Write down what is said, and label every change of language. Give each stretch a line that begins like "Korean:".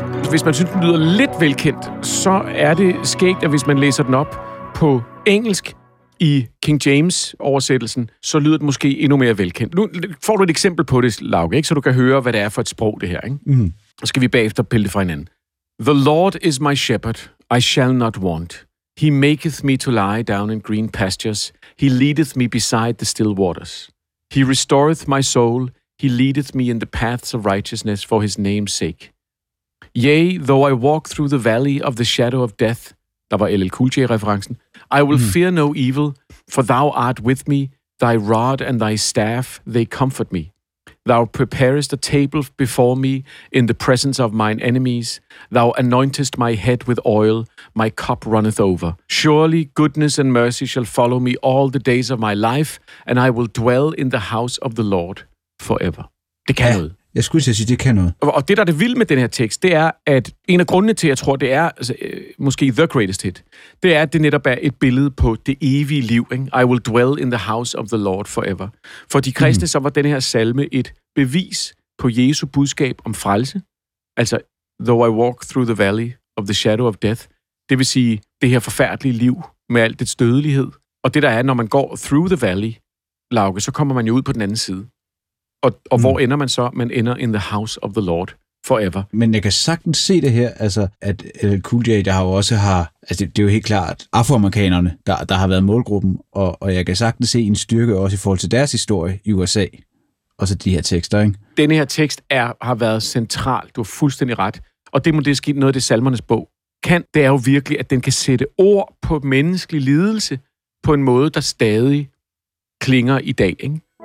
Danish: Hvis man synes, den lyder lidt velkendt, så er det skægt, at hvis man læser den op på engelsk i King James-oversættelsen, så lyder det måske endnu mere velkendt. Nu får du et eksempel på det, Lauke, ikke? Så du kan høre, hvad det er for et sprog, det her. Ikke? Mm. Så skal vi bagefter pille det fra hinanden.
English: The Lord is my shepherd, I shall not want. He maketh me to lie down in green pastures. He leadeth me beside the still waters. He restoreth my soul. He leadeth me in the paths of righteousness for his name's sake. Yea, though I walk through the valley of the shadow of death,
Danish: der var LL Cool J-referencen,
English: I will fear no evil, for thou art with me, thy rod and thy staff, they comfort me. Thou preparest a table before me in the presence of mine enemies, thou anointest my head with oil, my cup runneth over. Surely goodness and mercy shall follow me all the days of my life, and I will dwell in the house of the Lord forever.
Danish: Det kan noget. Jeg skulle sige, det kan noget. Og det, der er det vilde med den her tekst, det er, at en af grundene til, at jeg tror, det er altså, måske
English: the greatest hit,
Danish: det er, at det netop er et billede på det evige liv. Ikke?
English: I will dwell in the house of the Lord forever.
Danish: For de kristne, så var den her salme et bevis på Jesu budskab om frelse.
English: Altså, though I walk through the valley of the shadow of death.
Danish: Det vil sige, det her forfærdelige liv med alt dets dødelighed. Og det, der er, når man går
English: through the valley,
Danish: Lauke, så kommer man jo ud på den anden side. Og hvor ender man så? Man ender
English: in the house of the Lord forever.
Danish: Men jeg kan sagtens se det her, altså at Cool J, der har jo også altså det er jo helt klart afroamerikanerne, der har været målgruppen, og jeg kan sagtens se en styrke også i forhold til deres historie i USA, og så de her tekster, ikke? Denne her tekst har været central, du har fuldstændig ret, og det må det ske noget af det salmernes bog kan, det er jo virkelig, at den kan sætte ord på menneskelig lidelse på en måde, der stadig klinger i dag, ikke?